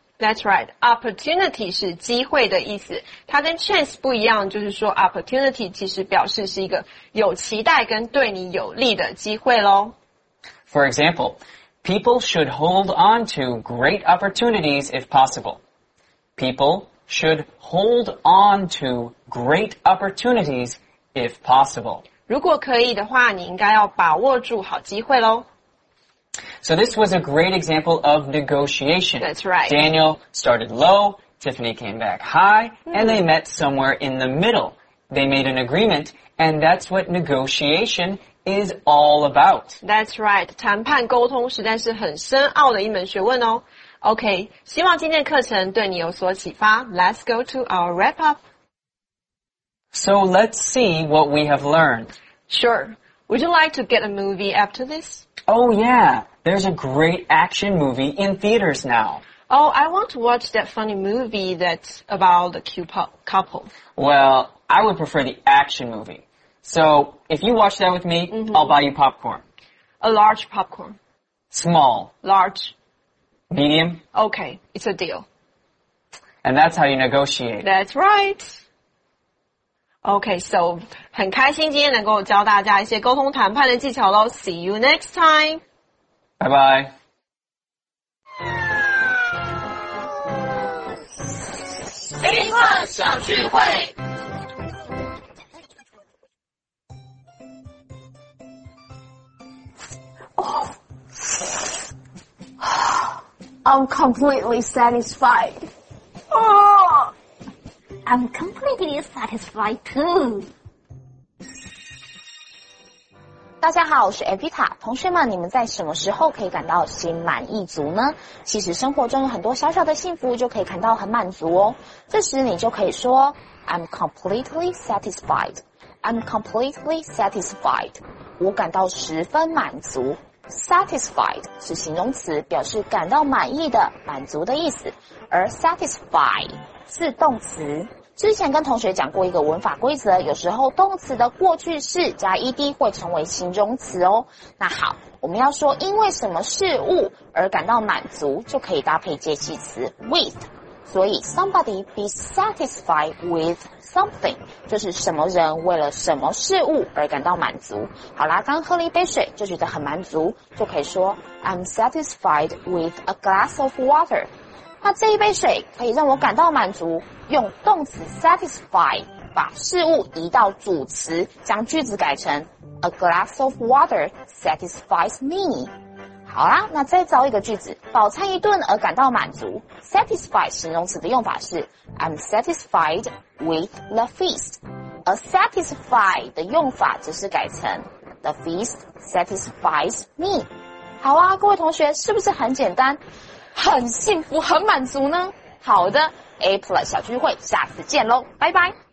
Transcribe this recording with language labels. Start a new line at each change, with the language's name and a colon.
English: That's right.
Chinese: Opportunity 是机会的意思。它跟 chance 不一样，就是说 opportunity 其实表示是一个有期待跟对你有利的机会咯。
English: For example, people should hold on to great opportunities if possible. People... should hold on to great opportunities if possible.
Chinese: 如果可以的话，你应该要把握住好机会咯。
English: So this was a great example of negotiation. That's right. Daniel started low, Tiffany came back high, and they met somewhere in the middle. They made an agreement, and that's what negotiation is all about. That's right.
Chinese: 谈判沟通实在是很深奥的一门学问哦。 OK, 希望今天的课程对你有所启发。
English: Let's go to our wrap-up. So let's see what we have learned. Sure. Would you like to get a movie after this? Oh yeah, there's a great action movie in theaters now. Oh, I want to watch that funny movie that's about the couple. Well, I would prefer the action movie. So if you watch that with me, I'll buy you popcorn. A large popcorn. Small. Large. Medium? Okay, it's a deal. And that's how you negotiate. That's right.
Chinese: Okay, so, 很开心今天能够教大家一些沟通谈判的技巧咯。
English: See you next time. Bye bye. I'm completely satisfied. Oh, I'm completely satisfied too.
Chinese: 大家好，我是 Evita。同学们，你们在什么时候可以感到心满意足呢？其实生活中有很多小小的幸福就可以感到很满足哦。这时你就可以说
English: I'm completely satisfied. I'm completely satisfied.
Chinese: 我感到十分满足。 Satisfied 是形容词，表示感到满意的、满足的意思，而 satisfy 是动词。之前跟同学讲过一个文法规则，有时候动词的过去式加 ed 会成为形容词哦。那好，我们要说因为什么事物而感到满足，就可以搭配介系词 with。所以
English: somebody be satisfied with something
Chinese: 就是什么人为了什么事物而感到满足。好啦，刚喝了一杯水就觉得很满足，就可以说
English: I'm satisfied with a glass of water。
Chinese: 那这一杯水可以让我感到满足，用动词 satisfy 把事物移到主词，将句子改成
English: A glass of water satisfies me。
Chinese: 好啦，那再造一个句子，饱餐一顿而感到满足。 Satisfy 形容词的用法是
English: I'm satisfied with the feast。
Chinese: A satisfy 的用法则是改成
English: The feast satisfies me。
Chinese: 好啊，各位同学，是不是很简单，很幸福，很满足呢？好的， A Plus 小聚会，下次见咯，拜拜。